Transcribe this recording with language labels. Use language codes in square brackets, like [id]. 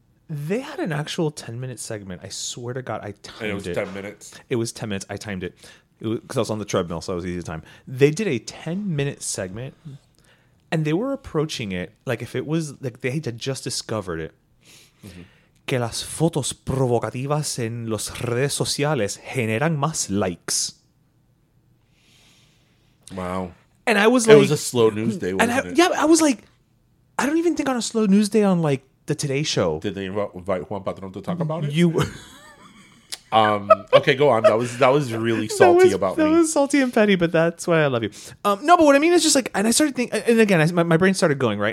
[en] They had an actual 10-minute segment. I swear to God, I timed it. It was 10 minutes. I timed it. Because I was on the treadmill, so it was easy to time. They did a 10-minute segment, and they were approaching it like if it was like they had just discovered it. Mm-hmm. [es] Que las fotos provocativas en las redes sociales generan más likes. [en] Wow. And I was like, it was a slow news day, wasn't it? Yeah, I was like, I don't even think on a slow news day on like the Today Show. Did they invite Juan Patron to talk about it? You. Okay, go on. That was really salty That was salty and petty, but that's why I love you. No, but what I mean is just like, and I started thinking, and again, my brain started going, right?